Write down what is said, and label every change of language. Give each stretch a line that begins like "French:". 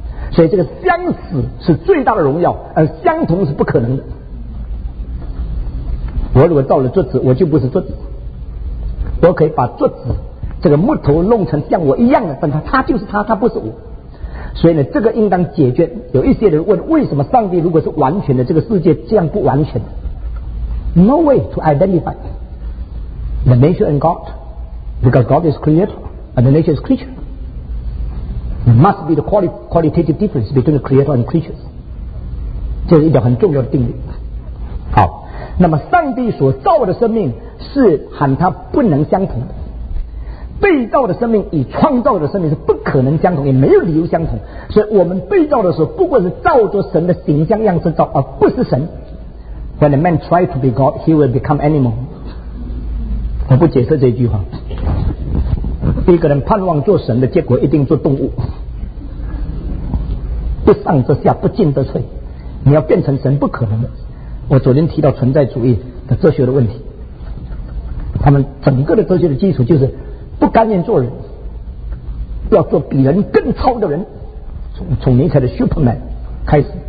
Chinese: 所以这个相似是最大的荣耀，而相同是不可能的。我如果造了桌子，我就不是桌子。我可以把桌子这个木头弄成像我一样的，但它就是它，它不是我。所以呢，这个应当解决。
English: 有一些人问，为什么上帝如果是完全的，这个世界这样不完全？No way to identify the nature and God, because God is creator and the nature is creature. There must be the qualitative difference between the creator and creatures.
Chinese: 这是一条很重要的定律。好。那么上帝所造的生命是喊他不能相同的，被造的生命与创造的生命是不可能相同，也没有理由相同。所以我们被造的时候，不过是照着神的形象样式造，而不是神。
English: When a man tries to be God, he will become animal。
Chinese: 我不解释这句话。一个人盼望做神的结果一定做动物，不上则下，不进则退，你要变成神不可能的。我昨天提到存在主义的哲学的问题，他们整个的哲学的基础就是不甘愿做人，要做比人更超的人，从尼采的 Superman 开始。